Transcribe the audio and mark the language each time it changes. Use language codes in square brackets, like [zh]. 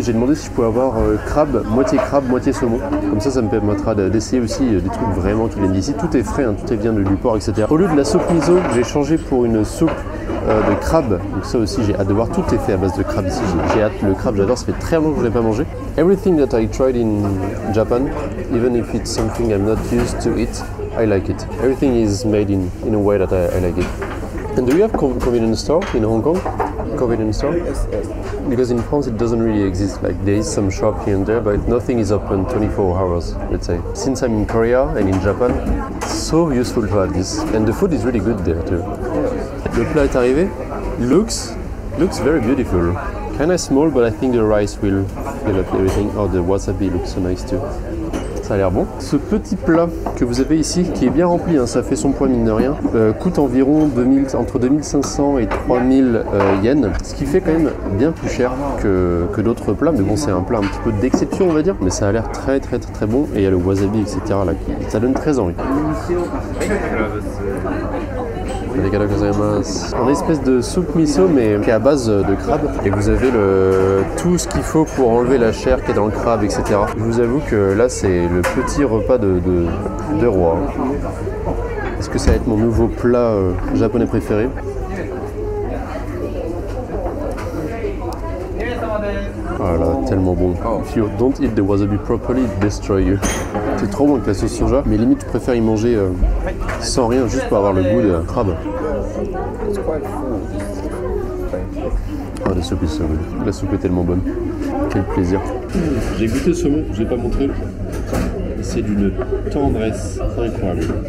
[fr] J'ai demandé si je pouvais avoir crabe, moitié saumon. Comme ça, ça me permettra d'essayer aussi des trucs vraiment qui viennent d'ici. Tout est frais, hein, tout est vient du porc, etc. Au lieu de la soupe miso, j'ai changé pour une soupe de crabe. Donc ça aussi, j'ai hâte de voir. Tout est fait à base de crabe ici. J'ai hâte. Le crabe, j'adore. Ça fait très longtemps que je l'ai pas mangé. [en] Everything that I tried in Japan, even if it's something I'm not used to eat, I like it. Everything is made in a way that I like it. And do you have convenience store in Hong Kong? Convenience store? Because in France it doesn't really exist. Like there is some shop here and there, but nothing is open 24 hours, let's say. Since I'm in Korea and in Japan, it's so useful to have this. And the food is really good there too. [fr] Le plat est arrivé. [en] Looks very beautiful. Kind of small, but I think the rice will fill up everything. Oh, the wasabi looks so nice too. [fr] Ça a l'air bon. Ce petit plat que vous avez ici, qui est bien rempli, hein, ça fait son poids mine de rien, coûte environ entre 2500 et 3000 yens. Ce qui fait quand même bien plus cher que d'autres plats. Mais bon, c'est un plat un petit peu d'exception, on va dire. Mais ça a l'air très, très, très, très bon. Et il y a le wasabi, etc. là, qui, ça donne très envie. Un espèce de soupe miso mais qui est à base de crabe et vous avez le tout ce qu'il faut pour enlever la chair qui est dans le crabe, etc. Je vous avoue que là c'est le petit repas de roi. Est-ce que ça va être mon nouveau plat japonais préféré? Voilà, tellement bon. [en] If you don't eat the wasabi properly, it destroys you. [fr] C'est trop bon avec la sauce soja, mais limite je préfère y manger sans rien, juste pour avoir le goût de crabe. Oh, la soupe est [en] so good. [fr] La soupe est tellement bonne. Quel plaisir. J'ai goûté ce saumon, je ne vais pas montrer. C'est d'une tendresse incroyable.